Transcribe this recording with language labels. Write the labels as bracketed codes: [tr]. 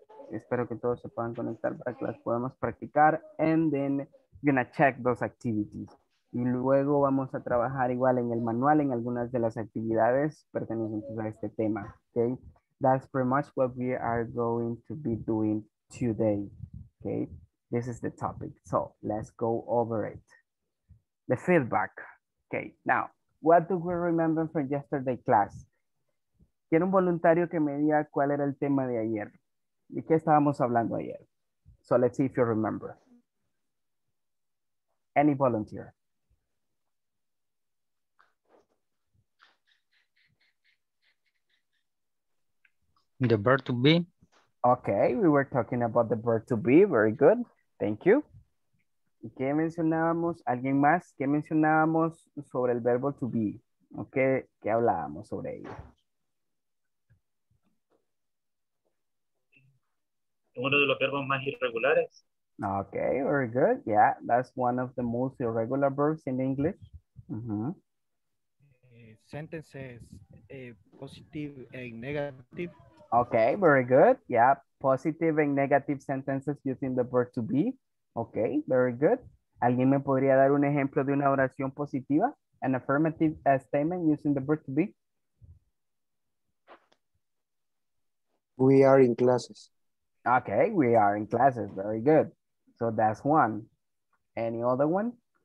[es] Espero que todos se puedan conectar para que las podamos practicar. [en] And then we're going to check those activities. [es] Y luego vamos a trabajar igual en el manual, en algunas de las actividades pertenecientes a este tema, okay? [en] That's pretty much what we are going to be doing today, okay? This is the topic. So let's go over it. The feedback, okay? Now, what do we remember from yesterday class? [es] Quiero un voluntario que me diga cuál era el tema de ayer. ¿De qué estábamos hablando ayer? [en] So let's see if you remember. Any volunteer? The verb to be. Okay, we were talking about the verb to be. Very good. Thank you. [es] ¿Y qué mencionábamos? ¿Alguien más? ¿Qué mencionábamos sobre el verbo to be? Okay, ¿qué hablábamos sobre ello? Uno de los verbos más irregulares. [en] Okay, very good. Yeah, that's one of the most irregular verbs in English. Mm-hmm. Sentences positive and negative. Okay, very good. Yeah, positive and negative sentences using the verb to be. Okay, very good. [es] ¿Alguien me podría dar un ejemplo de una oración positiva? [en] An affirmative statement using the verb to be. We are in classes. Okay, we are in classes. Very good. So that's one. Any other one?